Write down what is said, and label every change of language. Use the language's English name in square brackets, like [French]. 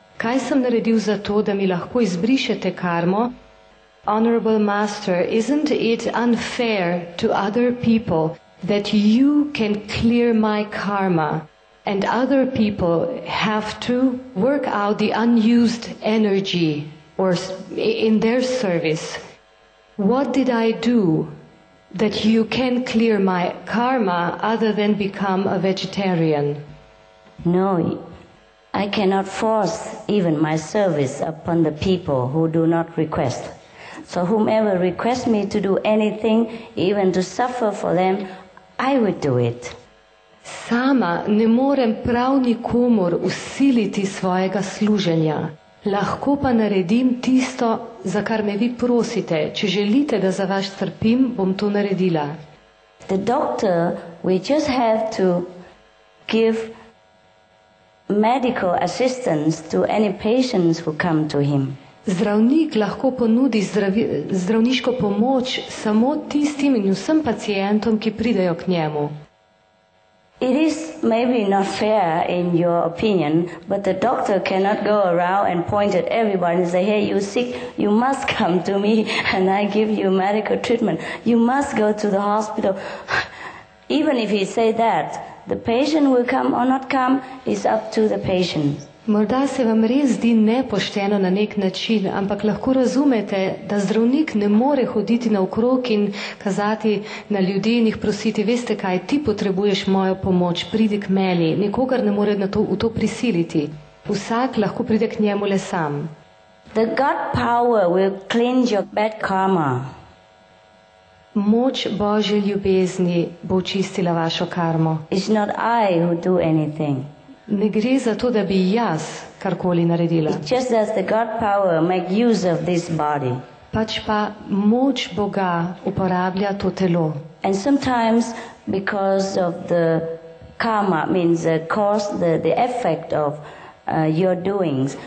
[Slovenian] Kaj sem naredil za to, da mi lahko izbrišete karmo? [English] Honorable Master, isn't it unfair to other people that you can clear my karma? And other people have to work out the unused energy or in their service. What did I do that you can clear my karma other than become a vegetarian? No, I cannot force even my service upon the people who do not request. So whomever requests me to do anything, even to suffer for them, I would do it. [Slovenian] Sama ne morem prav nikomor usiliti svojega služenja. Lahko pa naredim tisto, za kar me vi prosite. Če želite, da za vaš trpim, bom to naredila. [English] The doctor, we just have to give medical assistance to any patients who come to him. [Slovenian] Zdravnik lahko ponudi zdravniško pomoč samo tistim in vsem pacientom, ki pridejo k njemu. [English] It is maybe not fair in your opinion, but the doctor cannot go around and point at everybody and say, hey, you sick, you must come to me and I give you medical treatment. You must go to the hospital. Even if he say that, the patient will come or not come, it's up to the patient. [Slovenian] Morda se vam res zdi nepošteno na nek način, ampak lahko razumete, da zdravnik ne more hoditi naokrog in kazati na ljudi in jih prositi, veste kaj, ti potrebuješ mojo pomoč, pridi k meni. Nikogar ne more v to prisiliti. Vsak lahko pride k njemu le sam. [English] The God power will cleanse your bad karma. [Slovenian] Moč Božje ljubezni bo očistila vašo karmo. [English] It's not I who do anything. [Slovenian] Ne gre za to, da bi jaz karkoli naredila. [English] It's just that the God power make use of this body. [Slovenian] Pač pa moč Boga uporablja to telo. [English] And sometimes because of the karma means the cause, the effect of your doings.